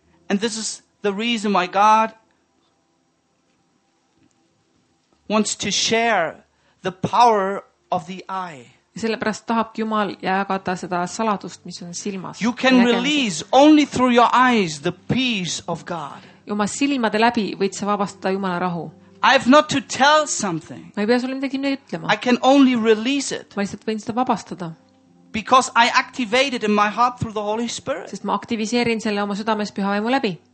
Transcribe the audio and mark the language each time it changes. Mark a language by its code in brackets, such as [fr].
[en] And this is the reason why God wants to share the power of the eye. [et] Ja sellepärast tahabki Jumal jagada seda saladust, mis on silmas. [en] You can release only through your eyes the peace of God. [et] Juma silmade läbi võid sa vabastada Jumala rahu. [en] I have not to tell something. [et] Ma ei pea sulle midagi ütlema. [en] I can only release it. [et] Ma lihtsalt võin seda vabastada. [en] Because I activated in my heart through the Holy Spirit. [et] Sest ma aktiviseerin selle oma südames püha vaimu läbi.